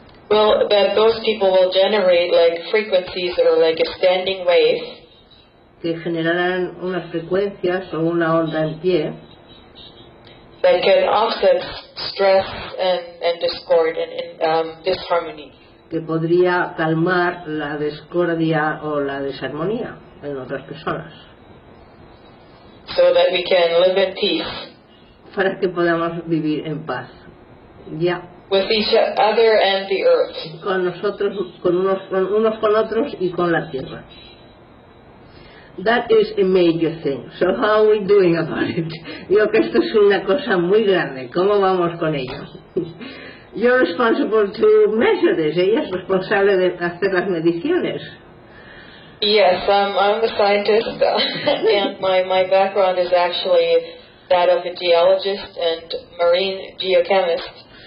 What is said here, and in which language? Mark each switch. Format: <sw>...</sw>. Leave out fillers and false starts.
<en>Well, that those people will generate like frequencies or like a standing wave.</en> <es>Que generarán unas frecuencias o una onda en pie.</es> <en>That can offset stress and discord and disharmony.</en> <es>Que podría calmar la discordia o la desarmonía en otras personas.</es> <en>So that we can live in peace.</en> <es>Para que podamos vivir en paz.</es> <en>Yeah. With each other and the earth.</en> <es>Con nosotros, con unos con otros y con la tierra.</es> <en>That is a major thing. So how are we doing about it?</en> <es>Digo que esto es una cosa muy grande. ¿Cómo vamos con ello?</es> <en>You're responsible to measure this.</en> <es>Ella es responsable de hacer las mediciones.</es> <en>Yes, I'm a scientist, and my background is actually that of a geologist and marine geochemist.</en>